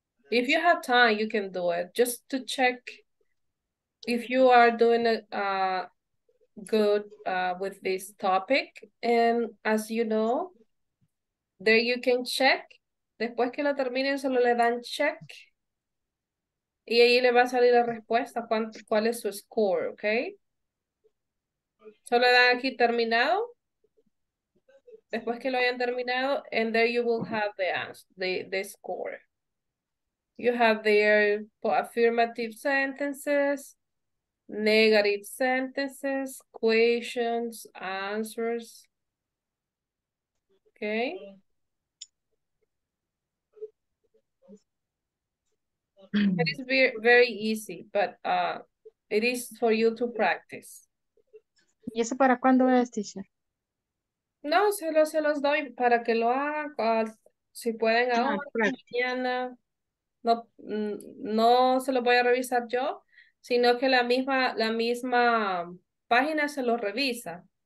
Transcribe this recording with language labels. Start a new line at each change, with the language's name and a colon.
English: if you have time, you can do it. Just to check if you are doing good with this topic, and as you know, there you can check.
Spanish: Después que lo terminen, solo le dan check. Y ahí le va a salir la respuesta, cuál es su score, okay? Solo le dan aquí terminado. Después que lo hayan terminado,
English: and there you will have the answer, the score. You have their affirmative sentences, negative sentences, questions, answers. Okay. It is very, very easy, but it is for you to practice.
Spanish: ¿Y eso para cuándo es, teacher? No, se los doy para que lo hagan. Si pueden ahora, mañana. No se lo voy a revisar yo, sino que la misma página se lo revisa.